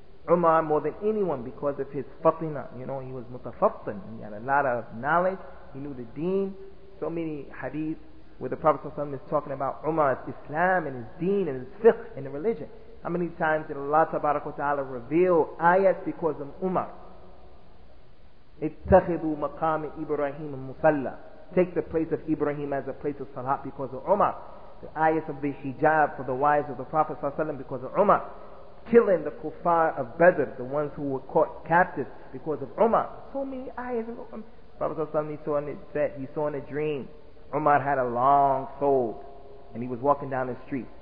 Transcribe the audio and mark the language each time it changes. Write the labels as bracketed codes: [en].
[en] Umar, more than anyone, because of his fatina, you know, he was mutafattin, he had a lot of knowledge, he knew the deen, so many hadith where the Prophet ﷺ is talking about Umar's Islam and his deen and his fiqh and the religion. How many times did Allah tabarak wa ta'ala reveal ayat because of Umar? [ar] اتخذوا مقام إبراهيم المصلى. [en] Take the place of Ibrahim as a place of salah because of Umar. The ayat of the hijab for the wives of the Prophet ﷺ because of Umar. Killing the kuffar of Badr, the ones who were caught captive because of Umar. So many ayat of Umar. Prophet ﷺ, he saw in a dream, Umar had a long soul and he was walking down the street.